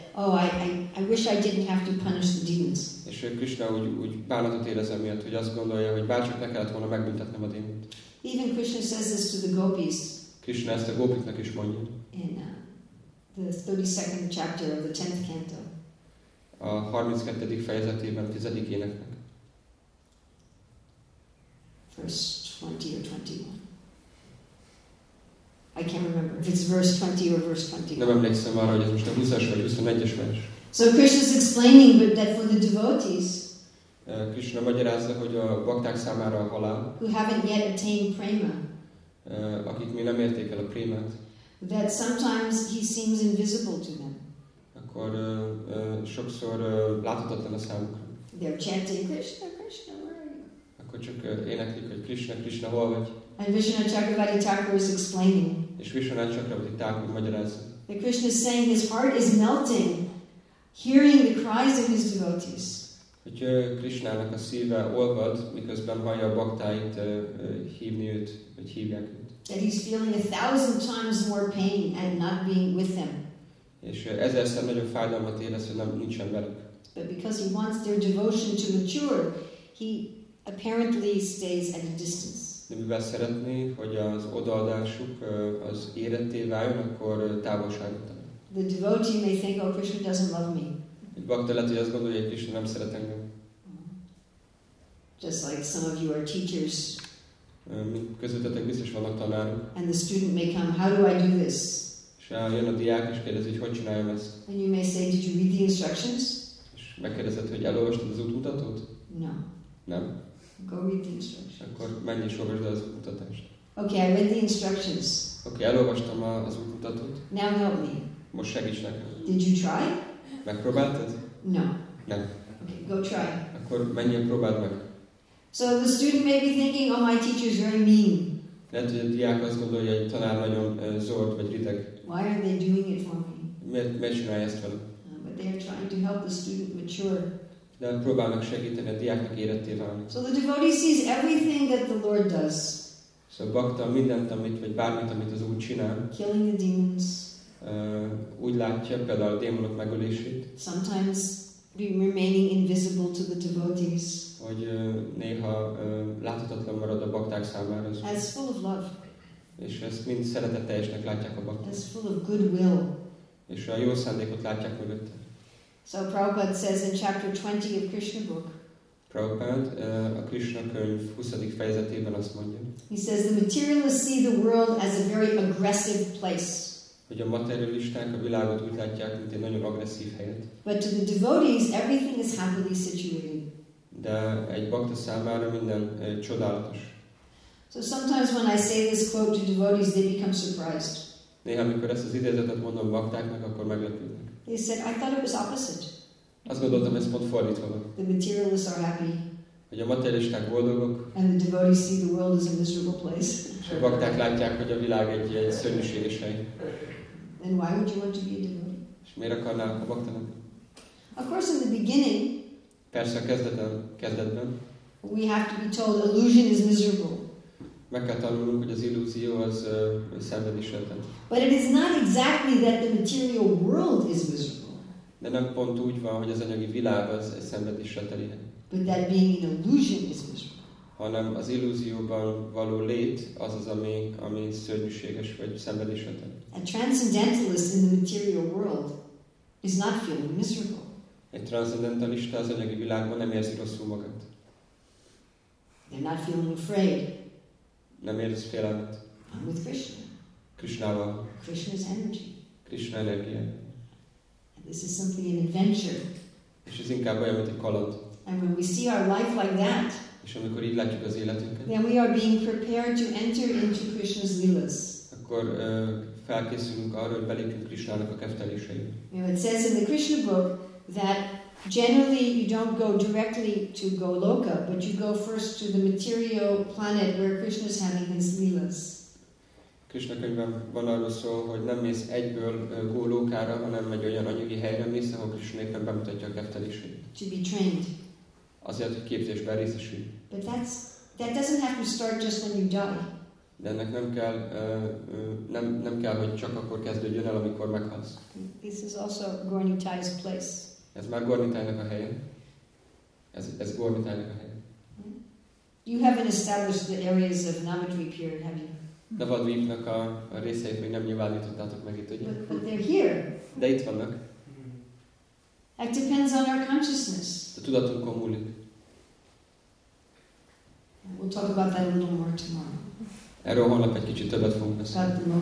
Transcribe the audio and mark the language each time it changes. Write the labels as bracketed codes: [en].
[en] oh, I wish I didn't have to punish the demons. [hu] És Krishna úgy bánatot érez emiatt, hogy azt gondolja, hogy bárcsak ne kellett volna megbüntetnem a démont. [en] Even Krishna says this to the gopis. [hu] Krishna ezt a gopiknak is mondja. [en] In the 32nd chapter of the 10th canto. [hu] A 32. fejezetében, a 10. éneknek. [en] Verse 20 or 21. I can't remember if it's verse 20 or verse 21. [hu] Nem emlékszem arra, hogy ez most a 20-es vagy 21-es vers. [en] So Krishna is explaining that for the devotees, [hu] Krishna magyarázza, hogy a bakták számára a halál, [en] who haven't yet attained prema, [hu] akik még nem érték el a prémát, [en] that sometimes he seems invisible to them. [hu] Akkor sokszor láthatatlan a számukra. [en] They're chanting Krishna, Krishna, where are you? [hu] Akkor csak éneklik, hogy Krishna, Krishna, hol vagy? [en] And Vishnu Chakravarti Thakur is explaining. [hu] És Vishnu Chakravarti Thakur magyarázza. [en] That Krishna is saying his heart is melting, hearing the cries of his devotees. [hu] Hogy Krishnának a szíve olvad, miközben hallja a baktáit hívni őt, vagy hívják őt. [en] That he's feeling a thousand times more pain and not being with them. [hu] És ezerszer nagyobb fájdalmat érez, hogy nem nincsen velük. [en] But because he wants their devotion to mature, he apparently stays at a distance. [hu] De mivel szeretné, hogy az odaadásuk az éretté váljon, akkor távolságot tart. [en] The devotee may think, oh, Krishna doesn't love me. [hu] Egy bakta lehet, hogy azt gondolja, hogy Krishna nem szeret engem. [en] Just like some of you are teachers. [hu] Közöttetek biztos vannak tanárok. [en] And the student may come, how do I do this? [hu] És jön a diák és kérdezi, hogy hogy csináljam ezt. [en] And you may say, did you read the instructions? [hu] És megkérdezed, hogy elolvastad az útmutatót? [en] No. [hu] Nem. [en] Go read the instructions. [hu] Akkor menj és olvasd az útmutatást. [en] Okay, I read the instructions. [hu] Okay, elolvastam az útmutatót. [en] Now help me. [hu] Most segíts nekem. [en] Did you try? [hu] Megpróbáltad? [en] No. [hu] Nem. [en] Okay, go try. [hu] Akkor menj és próbáld meg. [en] So the student may be thinking, oh, my teacher is very mean. [hu] Lehet, hogy a diák azt gondolja, hogy a tanár nagyon zord vagy rideg. [en] Why are they doing it for me? [hu] Miért csinálja ezt velem? [en] But they are trying to help the student mature. [hu] De próbálnak segíteni a diáknak éretté válni. [en] So the devotee sees everything that the Lord does. [hu] So bakta mindent, amit, vagy bármit, amit az Úr csinál. [en] Killing the demons. [hu] Úgy látja például a démonok megölését. [en] Sometimes remaining invisible to the devotees. [hu] Hogy néha láthatatlan marad a bakták számára. [en] As full of love. [hu] És ezt mind szeretetteljesnek látják a bakták. [en] As full of goodwill. [hu] És a jó szándékot látják mögötte. [en] So Prabhupada says in chapter 20 of Krishna book. [hu] Prabhupada a Krishna könyv 20. fejezetében azt mondja. [en] He says the materialists see the world as a very aggressive place. [hu] Hogy a materialisták a világot úgy látják, mint egy nagyon agresszív helyet. [en] But to the devotees, everything is happily situated. [hu] De egy bakta számára minden csodálatos. [en] So sometimes when I say this quote to devotees, they become surprised. [hu] Néha, amikor ezt az idézetet mondom baktáknak, akkor meglepődnek. [en] They said, I thought it was opposite. [hu] Azt gondoltam, ez pont fordítva van. [en] The materialists are happy. [hu] Hogy a materialisták boldogok. [en] And the devotees see the world as a miserable place. [hu] És a bakták látják, hogy a világ egy szörnyűséges hely. [en] Then why would you want to be a devotee? [hu] És miért akarnál a baktának? [en] Of course, in the beginning. [hu] Persze a kezdetben. [en] We have to be told illusion is miserable. [hu] Meg kell tanulnunk, hogy az illúzió az szenvedésetlen. [en] But it is not exactly that the material world is miserable. [hu] De nem pont úgy van, hogy az anyagi világ az szenvedésetlen. [en] But that being an illusion is miserable. [hu] Hanem az illúzióban való lét az az, ami szörnyűséges vagy szenvedésetlen. [en] A transcendentalist in the material world is not feeling miserable. [hu] Egy transzendentalista az anyagi világban nem érzi rosszul magát. [en] They're not feeling afraid. [hu] Nem érzi félelmet. [en] I'm with Krishna. [hu] Krishnával. [en] Krishna's energy. [hu] Krishna energia. [en] And this is something an adventure. [hu] És ez inkább olyan, mint egy kaland. [en] And when we see our life like that, [hu] és amikor így látjuk az életünket, [en] then we are being prepared to enter into Krishna's lilas. [hu] Akkor felkészülünk arra, hogy belépjünk Krishnának a kefteléseibe. [en] Now it says in the Krishna book that generally you don't go directly to Goloka, but you go first to the material planet where Krishna is having his lilas. [hu] Krishna könyvben van arról szó, hogy nem mész egyből Golokára, hanem megy olyan anyagi helyre mész, ahol Krishna éppen bemutatja a kefteléseit. [en] To be trained. [hu] Azért, hogy képzésben részesülj. [en] But that doesn't have to start just when you die. [hu] De ennek nem kell, nem kell, hogy csak akkor kezdődjön el, amikor meghalsz. [en] This is also Gornitai's place. [hu] Ez már Gornitainak a helye. Ez Gornitainak a helye. [en] You haven't established the areas of Navadvip here, have you? [hu] Navadvipnak a részeit még nem nyilvánítottátok meg itt, ugye? [en] But they're here. [hu] De itt vannak. [en] It depends on our consciousness. [hu] A tudatunkon múlik. [en] We'll talk about that a little more tomorrow. [hu] Erről holnap egy kicsit többet fogunk beszélni.